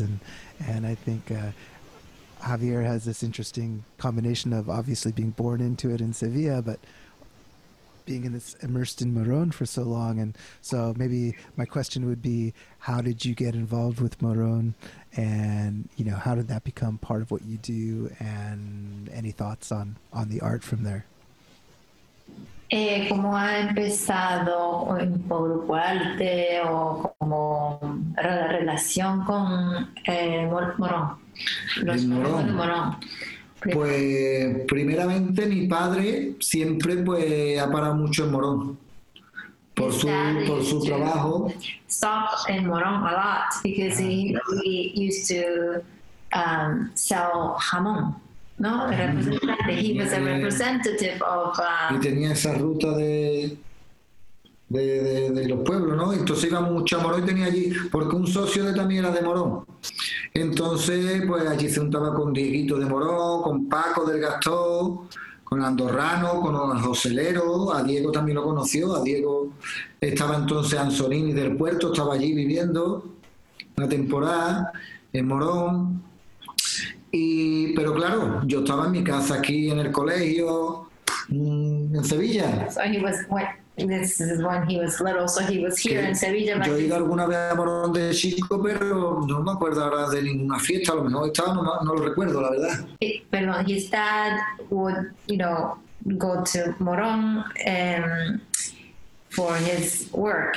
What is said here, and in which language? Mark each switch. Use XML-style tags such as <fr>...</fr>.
<en>And I think Javier has this interesting combination of obviously being born into it in Sevilla, but being in this immersed in Morón for so long. And so maybe my question would be, how did you get involved with Morón? And, you know, how did that become part of what you do? And any thoughts on the art from there?</en> <es>Como ha empezado por parte o como relación con Morón. Pues primeramente mi padre siempre pues ha parado mucho en Morón por su trabajo.</es> <en>Stopped in Morón a lot because he used to sell jamón. No, he was a representative of.</en> <es>Y tenía esa ruta de los pueblos, ¿no? Entonces iba mucho a Morón y tenía allí, porque un socio de también era de Morón. Entonces, pues allí se juntaba con Dieguito de Morón, con Paco del Gastó, con Andorrano, con Joselero, a Diego también lo conoció, a Diego estaba entonces Ansonini del Puerto, estaba allí viviendo una temporada en Morón. Y, pero claro, yo estaba en mi casa aquí en el colegio en Sevilla.</es> <en>So he was in Sevilla.</en> <es>Yo he ido alguna vez a Morón de chico, pero no me acuerdo ahora de ninguna fiesta. A lo mejor estaba, no lo recuerdo, la verdad. Pero</es> <en>his dad would, you know, go to Morón for his work.</en>